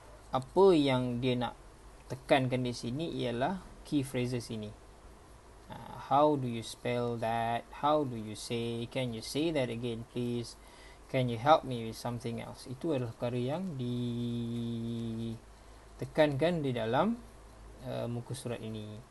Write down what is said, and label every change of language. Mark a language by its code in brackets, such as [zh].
[ms] Apa yang dia nak tekankan di sini ialah key phrases ini. [en] How do you spell that? How do you say? Can you say that again please? Can you help me with something else? [ms] Itu adalah perkara yang di tekankan di dalam muka surat ini.